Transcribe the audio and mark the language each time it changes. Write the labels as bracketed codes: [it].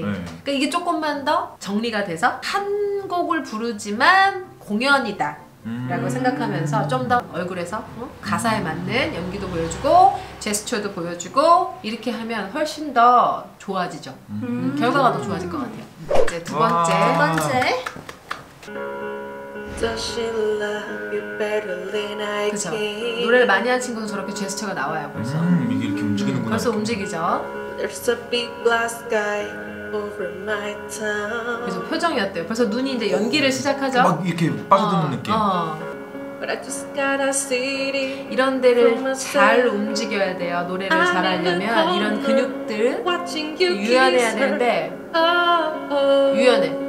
[ko] 그러니까 이게 조금만 더 정리가 돼서 한 곡을 부르지만 공연이다 라고 생각하면서 좀 더 얼굴에서 가사에 맞는 연기도 보여주고 제스처도 보여주고 이렇게 하면 훨씬 더 좋아지죠. 결과가 더 좋아질 것 같아요. 이제 두 번째. 두 번째. [en] Does she love you better than I can? [ko] 그쵸. 노래를 많이 한 친구는 저렇게 제스처가 나와요 벌써. 이게 이렇게 움직이는구나. 벌써 움직이죠. [en] There's a big black sky over my town. [ko] 그래서 표정이 어때요? 벌써 눈이 이제 연기를 시작하죠? 막 이렇게 빠져드는 느낌. [en] But I just gotta see. [ko] 이런 데를 잘 움직여야 돼요. 노래를 잘 하려면 이런 근육들 유연해야 되는데 유연해.